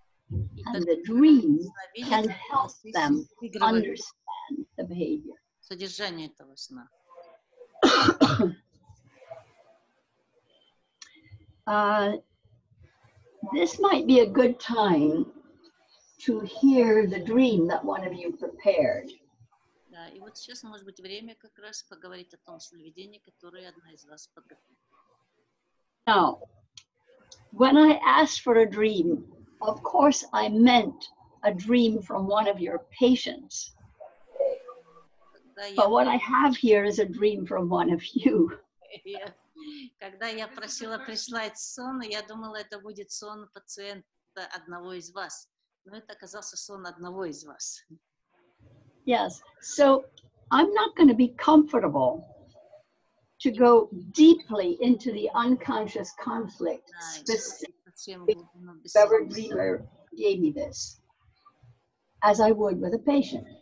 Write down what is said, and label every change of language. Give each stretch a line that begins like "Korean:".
English: And the dream can help them understand the behavior.
Russian: Содержание этого сна.
English: This might be a good time to hear the dream that one of you prepared.
Russian: Да, и вот сейчас может быть время как раз поговорить о том сновидении, которое одна из вас подготовила.
English: Now, when I ask for a dream, Of course, I meant a dream from one of your patients. But what I have here is a dream from one of you.
Russian: Когда я просила прислать сон, я думала, это будет сон пациента одного из вас. Но это оказался сон одного из вас.
English: Yes, so I'm not going to be comfortable to go deeply into the unconscious conflict specifically whoever dreamer gave me this, as I would with a patient.